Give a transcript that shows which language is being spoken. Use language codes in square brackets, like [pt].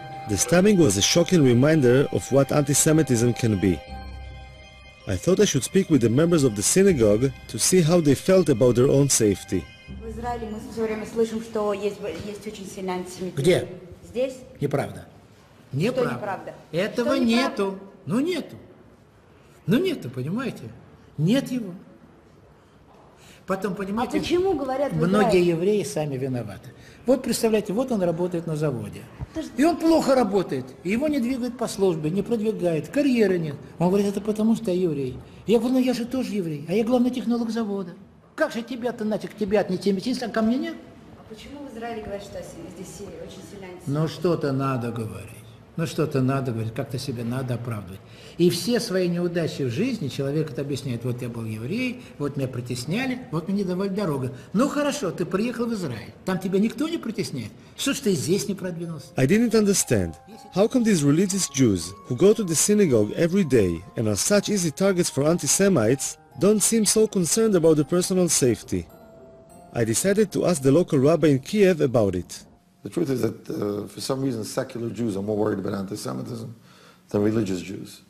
[en] The stabbing was a shocking reminder of what anti-Semitism can be. I thought I should speak with the members of the synagogue to see how they felt about their own safety. [ru] В Израиле мы все время слышим, что есть очень сильный антисемитизм. Где? Здесь? Неправда. Неправда. Что неправда? Этого что нету. Неправда? Ну нету. Ну нету, понимаете? Нет его. Потом, понимаете, а почему, говорят, многие евреи сами виноваты. Вот представляете, вот он работает на заводе. И он плохо работает. Его не двигают по службе, не продвигают, карьеры нет. Он говорит, это потому, что я еврей. Я говорю, ну я же тоже еврей, а я главный технолог завода. Как же тебя-то нафиг, тебя от антисемитизма, а ко мне нет? А почему в Израиле говорят, что здесь сирия, очень сильная антисемитизм? Ну что-то надо говорить. Ну что-то надо говорить, как-то себе надо оправдывать. И все свои неудачи в жизни человек это объясняет. Вот я был еврей, вот меня притесняли, вот мне не давали дорогу. Ну хорошо, ты приехал в Израиль, там тебя никто не притесняет. Что ж ты здесь не продвинулся? [en] I didn't understand. How come these religious Jews, who go to the synagogue every day and are such easy targets for anti-Semites, don't seem so concerned about their personal safety? I decided to ask the local rabbi in Kiev about it. The truth is that for some reason secular Jews are more worried about anti-Semitism than religious Jews.